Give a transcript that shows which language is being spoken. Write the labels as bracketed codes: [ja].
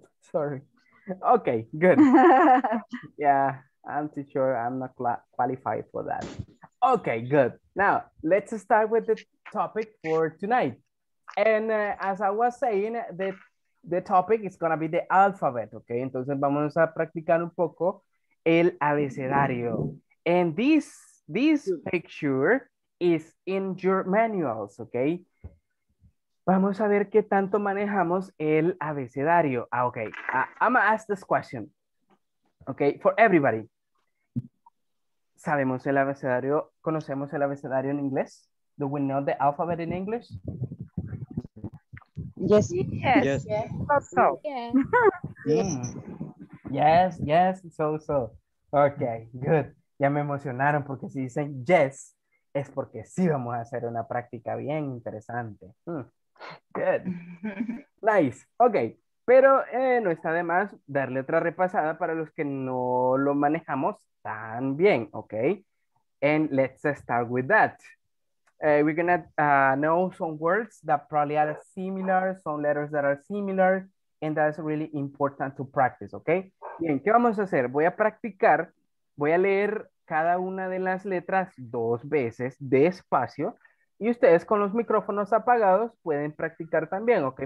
[en] Sorry. Okay, good. Yeah, I'm too short. I'm not qualified for that. Okay, good. Now, let's start with the topic for tonight. And as I was saying, the topic is going to be the alphabet, okay? [es] Entonces, vamos a practicar un poco el abecedario. [en] And this picture is in your manuals, okay? [es] Vamos a ver qué tanto manejamos el abecedario. [en] Ah, okay. I'm gonna ask this question. Okay, for everybody. [es] ¿Sabemos el abecedario? ¿Conocemos el abecedario en inglés? [en] Do we know the alphabet in English? Yes. Yes. Yes. Yes. So. Yes. Yes. Yes. So, so. Okay, good. [es] Ya me emocionaron porque si dicen yes, es porque sí vamos a hacer una práctica bien interesante. [en] Good. Nice. Okay. [es] Pero no está de más darle otra repasada para los que no lo manejamos tan bien, okay? [en] And let's start with that. We're gonna know some words that probably are similar, some letters that are similar, and that's really important to practice, okay? [es] Bien, ¿qué vamos a hacer? Voy a practicar, voy a leer cada una de las letras dos veces despacio, y ustedes con los micrófonos apagados pueden practicar también, okay?